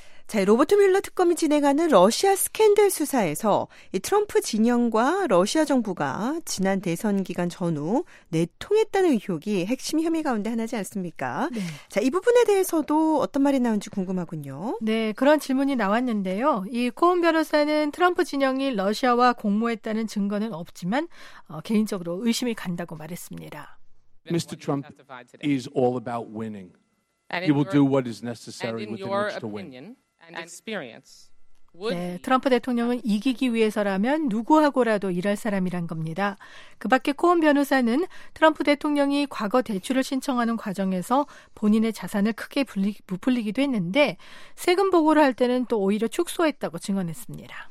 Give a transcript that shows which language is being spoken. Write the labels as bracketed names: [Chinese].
[Korean] 자, 로버트 뮬러 특검이 진행하는 러시아 스캔들 수사에서 이 트럼프 진영과 러시아 정부가 지난 대선 기간 전후 내통했다는 의혹이 핵심 혐의 가운데 하나지 않습니까? 네. 자, 이 부분에 대해서도 어떤 말이 나온지 궁금하군요. 네, 그런 질문이 나왔는데요. 이 코언 변호사는 트럼프 진영이 러시아와 공모했다는 증거는 없지만 개인적으로 의심이 간다고 말했습니다. [English] Mr. Trump is all about winning. He will do what is necessary within which to win. And experience. [Korean] 네, 트럼프 대통령은 이기기 위해서라면 누구하고라도 일할 사람이란 겁니다. 그 밖에 코언 변호사는 트럼프 대통령이 과거 대출을 신청하는 과정에서 본인의 자산을 크게 부풀리기도 했는데 세금 보고를 할 때는 또 오히려 축소했다고 증언했습니다.